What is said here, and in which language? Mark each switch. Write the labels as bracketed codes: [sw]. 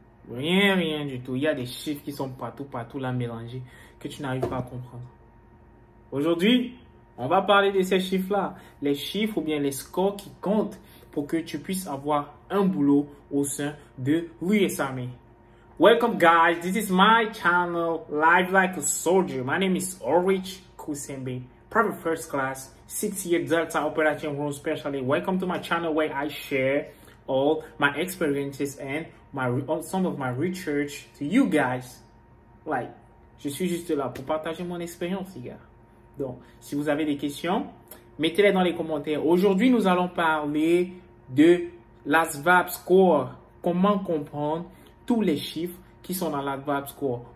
[fr] Rien, rien du tout. Il y a des chiffres qui sont partout, partout là mélangés que tu n'arrives pas à comprendre. Aujourd'hui, on va parler de ces chiffres-là. Les chiffres ou bien les scores qui comptent pour que tu puisses avoir un boulot au sein de l'USAME. [en] Welcome guys, this is my channel, Live Like a Soldier. My name is Orich Kusembe. Private first class, 6 year Delta Operation Room Specialist. Welcome to my channel where I share all my experiences and some of my research to you guys. [fr] Like, je suis juste là pour partager mon expérience, les gars. Donc, si vous avez des questions, mettez-les dans les commentaires. Aujourd'hui, nous allons parler de l'ASVAB score. Comment comprendre tous les chiffres qui sont dans l'ASVAB score?